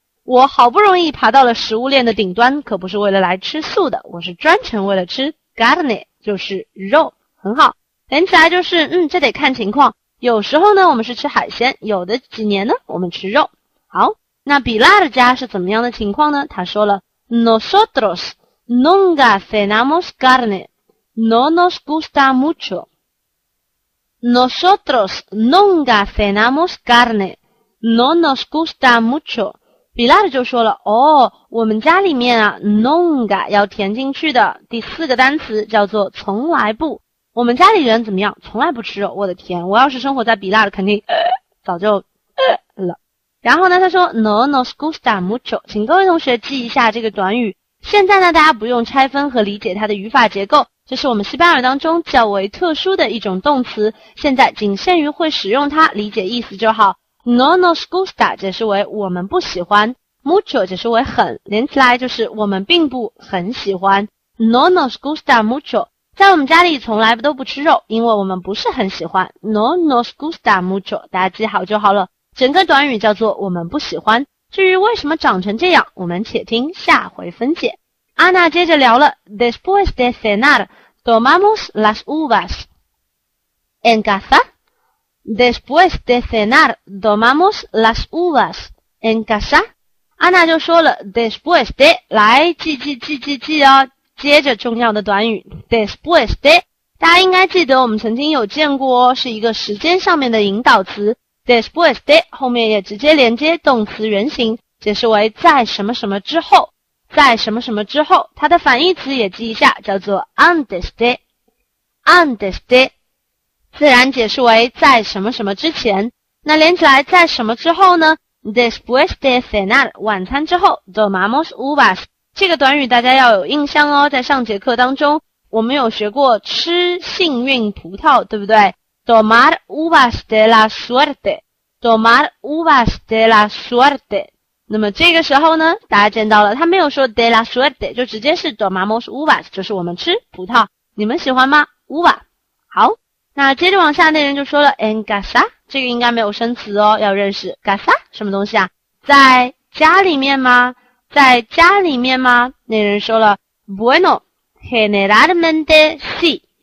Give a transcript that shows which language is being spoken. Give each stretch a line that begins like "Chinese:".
Chinese: 我好不容易爬到了食物链的顶端，可不是为了来吃素的，我是专程为了吃 carne， 就是肉，很好。连起来就是，这得看情况。有时候呢，我们是吃海鲜；有的几年呢，我们吃肉。好，那比拉的家是怎么样的情况呢？他说了
Spanish: ：“Nosotros nunca cenamos carne, no nos gusta mucho. Nosotros nunca cenamos carne, no nos gusta mucho。”
Chinese: 比拉就说了：“我们家里面啊 ，nunca 要填进去的第四个单词叫做从来不。” 我们家里人怎么样？从来不吃肉。我的天，我要是生活在比拉的，肯定早就了。然后呢，他说
Spanish: No nos gusta mucho，
Chinese: 请各位同学记一下这个短语。现在呢，大家不用拆分和理解它的语法结构，这是我们西班牙当中较为特殊的一种动词，现在仅限于会使用它，理解意思就好。
Spanish: No nos gusta
Chinese: 解释为我们不喜欢， mucho 解释为很，连起来就是我们并不很喜欢。
Spanish: No nos gusta mucho，
Chinese: 在我们家里从来都不吃肉，因为我们不是很喜欢。
Spanish: No nos gusta mucho，
Chinese: 大家记好就好了。整个短语叫做我们不喜欢。至于为什么长成这样，我们且听下回分解。阿娜接着聊了。
Spanish: Después de cenar, tomamos las uvas. ¿En casa? Después de cenar, tomamos las uvas. ¿En casa?
Chinese: 阿娜就说了 ,después de, 来记哦。接着重要的短语 después de， 大家应该记得我们曾经有见过，是一个时间上面的引导词。 después de 后面也直接连接动词原形，解释为在什么什么之后，在什么什么之后。它的反义词也记一下，叫做 antes de， antes de 自然解释为在什么什么之前。那连起来在什么之后呢？
Spanish: después de cenar
Chinese: 晚餐之后
Spanish: tomamos uvas。
Chinese: 这个短语大家要有印象哦，在上节课当中我们有学过吃幸运葡萄，对不对？
Spanish: Tomar uvas de la suerte， Tomar uvas de la suerte。
Chinese: 那么这个时候呢，大家见到了，他没有说 de la suerte， 就直接是
Spanish: tomamos uvas，
Chinese: 就是我们吃葡萄，你们喜欢吗？
Spanish: uva。
Chinese: 好，那接着往下那人就说了 en casa， 这个应该没有生词哦，要认识 casa 什么东西啊？在家里面吗？在家里面吗？那人说了
Spanish: Bueno, generalmente sí.